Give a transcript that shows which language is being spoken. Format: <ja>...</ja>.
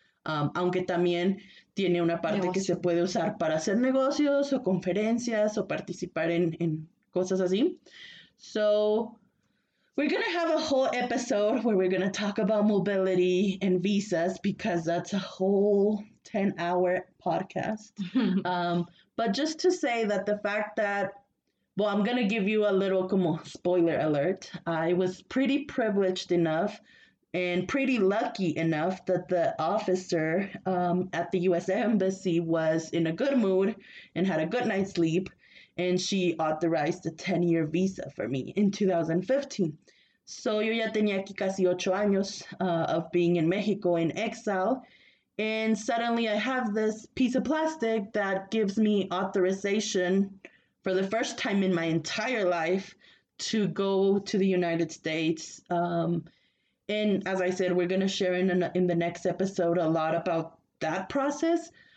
<es>Aunque también tiene una parte que se puede usar para hacer negocios o conferencias o participar en cosas así.</es> <en>So we're going to have a whole episode where we're going to talk about mobility and visas because that's a whole 10-hour podcast. But just to say that the fact that, well, I'm going to give you a little como spoiler alert. I was pretty privileged enough and pretty lucky enough that the officer at the U.S. Embassy was in a good mood and had a good night's sleep. And she authorized a 10-year visa for me in 2015.</en> <es>So yo ya tenía aquí casi 8 años</es> <en>of being in Mexico in exile. And suddenly I have this piece of plastic that gives me authorization for the first time in my entire life to go to the United States. And as I said, we're going to share in the next episode a lot about that process.</en>